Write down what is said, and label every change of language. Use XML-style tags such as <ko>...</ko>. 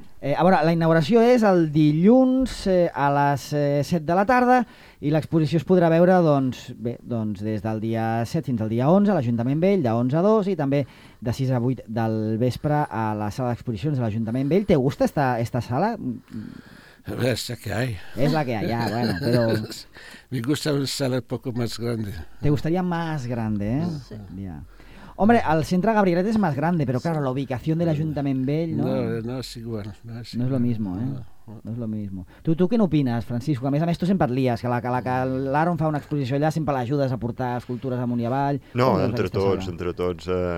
<ca>A veure, la inauguració és el dilluns a les 7 de la tarda i l'exposició es podrà veure doncs, des del dia 7 fins al dia 11 a l'Ajuntament Vell, de 11 a 2 i també de 6 a 8 del vespre a la sala d'exposicions de l'Ajuntament Vell.</ca> <es>Te gusta esta sala? Es la que hay. Es la que hay, ya, bueno, pero... Me gusta una sala un poco más grande. Te gustaría más grande, ¿eh? Sí. Ya.</es> <ca>Hombre, el centre Gabrielet és més gran, però clar, la ubicació de l'Ajuntament Vell... No, és igual. No és lo mismo, eh? No és lo mismo. Tu què n'opines, Francisco? A més, tu sempre et lies, que l'Aaron fa una exposició allà, sempre l'ajudes a portar escultures amunt i avall... No, entre tots.</ca>